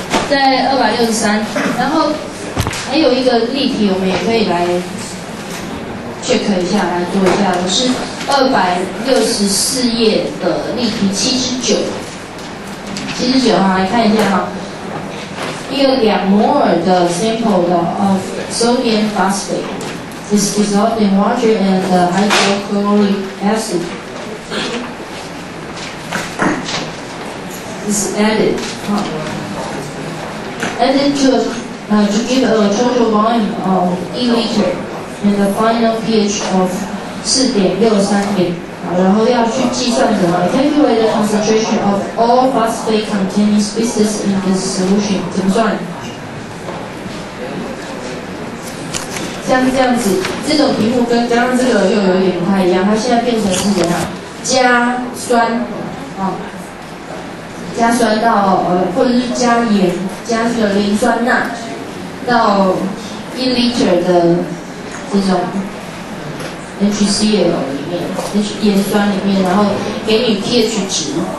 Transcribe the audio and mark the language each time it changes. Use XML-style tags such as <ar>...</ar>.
<zh>在263，然后还有一个例题，我们也可以来 check 一下，来做一下，是264页的例题79。 79哈，来看一下哈，一个两摩尔的 sample 的</zh> <en>of sodium phosphate。 Is dissolved in water and hydrochloric acid. Is added, added to give a total volume of 1 liter and the final pH of 4.63.</en> <zh>好，然后要去计算什么</zh> <en>？Calculate the concentration of all phosphate-containing species in this solution.</en> <zh>怎么算？像这样子，这种题目跟刚刚这个又有点不太一样，它现在变成是怎样？加酸，加酸到或者是加盐，加这个磷酸钠到一 liter 的这种 HCl 里面 ，H 盐酸里面，然后给你 pH 值。</zh>